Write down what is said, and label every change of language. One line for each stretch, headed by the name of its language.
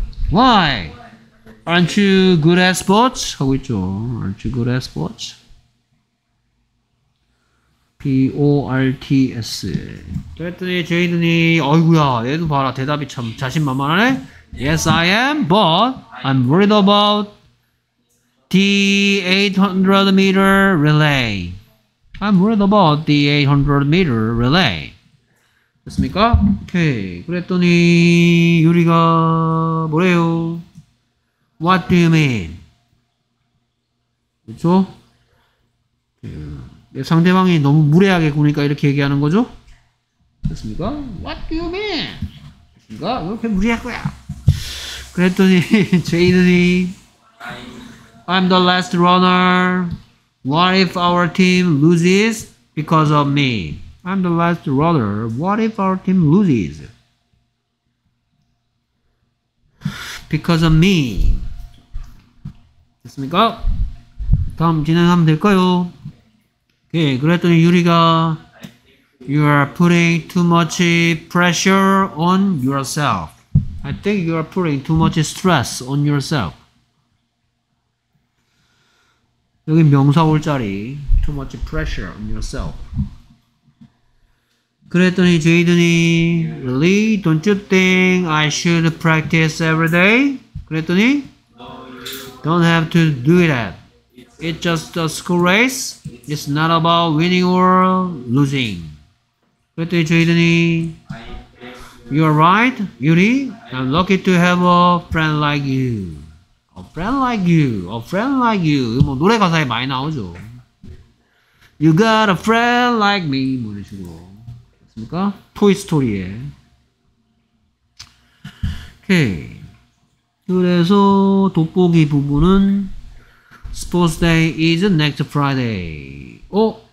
English: Why? Aren't you good at sports?
Korean: 하고 있죠.
English: Aren't you good at sports? P-O-R-T-S.
Korean: 그랬더니 제이든이 어이구야 얘도 봐라 대답이 참 자신만만하네.
English: Yes I am but I'm worried about the 800m relay. I'm worried about the 800m relay.
Korean: 됐습니까? 오케이. 그랬더니 유리가 뭐래요?
English: What do you mean?
Korean: 그쵸? 상대방이 너무 무례하게 구니까 이렇게 얘기하는 거죠? 됐습니까?
English: What do you mean?
Korean: 됐습니까? 왜 이렇게 무례할 거야? 그랬더니 제이든이
English: I'm the last runner. What if our team loses because of me? I'm the last runner. What if our team loses? Because of me.
Korean: 됐습니까? 다음 진행하면 될까요? 예, 그랬더니 유리가
English: You are putting too much pressure on yourself. I think you are putting too much stress on yourself.
Korean: 여기 명사 올 자리
English: too much pressure on yourself.
Korean: 그랬더니 제이든이 really?
English: Don't you think I should practice every day?
Korean: 그랬더니
English: don't have to do that. It's just a school race. It's not about winning or losing.
Korean: 그랬더니 제이든이
English: you're right, Yuri. I'm lucky to have a friend like you. A friend like you. A friend like you.
Korean: 뭐 노래 가사에 많이 나오죠.
English: You got a friend like me.
Korean: 뭐 이런 식으로. 됐습니까? 토이스토리에. 오케이. 그래서 돋보기 부분은
English: Sports Day is next Friday.
Korean: 어?